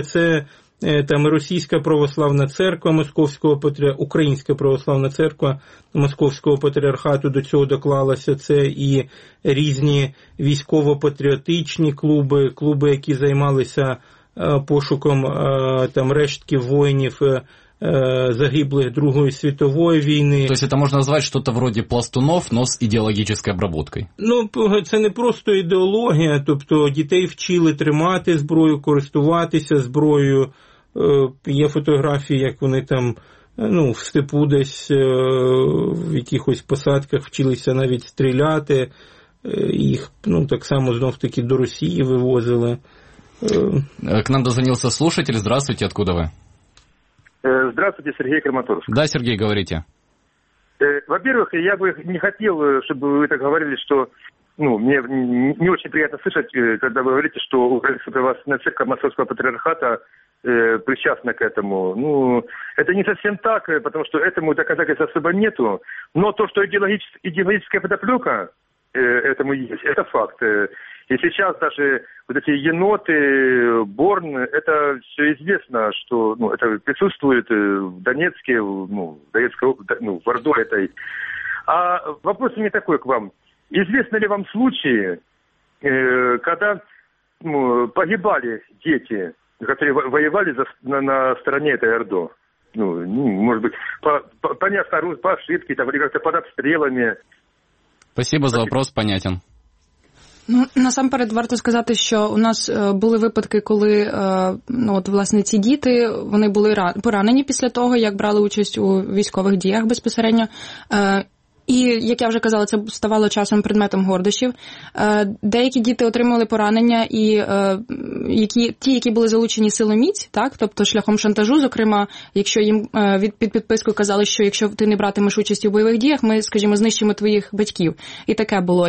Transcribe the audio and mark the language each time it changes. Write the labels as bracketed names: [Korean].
[Ukrainian] Це там Російська Православна Церква Московського Патріархату, Українська Православна Церква Московського Патріархату до цього доклалася. Це і різні військово-патріотичні клуби, клуби, які займалися пошуком там рештків воїнів, загиблих Другої світової війни. [Russian] То есть это можно назвать что-то вроде пластунов, но с идеологической обработкой? [Ukrainian] Ну, це не просто ідеологія, тобто дітей вчили тримати зброю, користуватися зброєю. Є фотографії, як вони там, ну, в степу десь в якихось посадках вчилися навіть стріляти. Їх, ну, так само знов-таки до Росії вивозили. [Russian] К нам дозвонився слушатель. Здравствуйте, откуда ви? Здравствуйте, Сергей Краматорск. Да, Сергей, говорите. Во-первых, я бы не хотел, чтобы вы так говорили, что, ну, мне не очень приятно слышать, когда вы говорите, что Украинская Православная Церковь Московского Патриархата причастна к этому. Ну, это не совсем так, потому что этому доказательств особо нету. Но то, что идеологическая подоплека этому есть, это факт. И сейчас даже вот эти еноты, Борн, это все известно, что, ну, это присутствует в Донецке, ну, в Донецкой, ну, в Орду этой. А вопрос у меня такой к вам. Известны ли вам случаи, когда, ну, погибали дети, которые воевали на стороне этой Орды? Ну, может быть, понятно, по ошибке там, или как-то под обстрелами. Спасибо за вопрос, понятен. [Ukrainian] Ну, насамперед, варто сказати, що у нас були випадки, коли, ну, от, власне, ці діти, вони були поранені після того, як брали участь у військових діях безпосередньо. І, як я вже казала, це ставало часом предметом гордощів. Деякі діти отримали поранення, і ті, які були залучені силоміць, так, тобто шляхом шантажу, зокрема, якщо їм під підписку казали, що якщо ти не братимеш участь у бойових діях, ми, скажімо, знищимо твоїх батьків. І таке було.